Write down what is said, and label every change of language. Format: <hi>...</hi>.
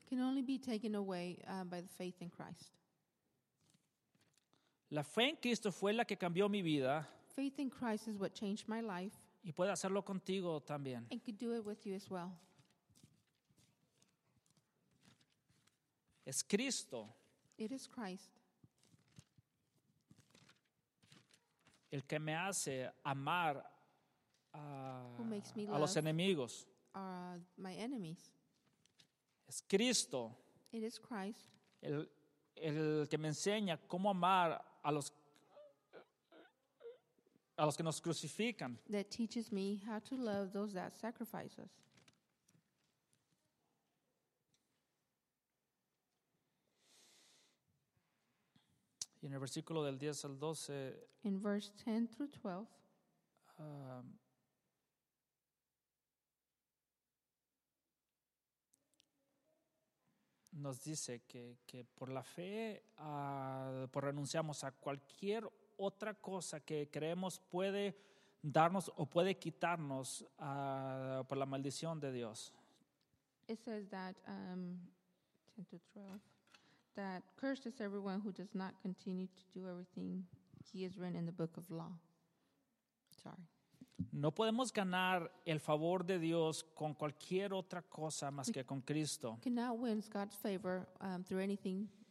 <en>Can only be taken away by the faith in Christ.</en> <es>La fe en Cristo fue la que cambió mi vida.</es> <en>Faith in Christ is what changed my life.</en> <es>Y puede hacerlo contigo también.</es> <en>And could do it with you as well.</en> <es>Es Cristo.</es> <en>It is Christ.</en> <es>El que me hace amar a los enemigos.</es> <en>My enemies.</en> <es>Es Cristo.</es> <en>It is Christ.</en> <es>El que me enseña cómo amar a los que nos crucifican.</es> <en>That teaches me how to love those that sacrifice us.</en> <es>Y en el versículo del 10 al 12,</es> <en>in verse 10 through 12,</en> <es>nos dice que por la fe por renunciamos a cualquier otra cosa que creemos puede darnos o puede quitarnos por la maldición de Dios.</es> <en>It says that 10 to 12. That cursed is everyone who does not continue to do everything he has written in the book of law. Sorry.</en> <es>No podemos ganar el favor de Dios con cualquier otra cosa más que con Cristo.</es> <en>We cannot win God's favor through anything.</en>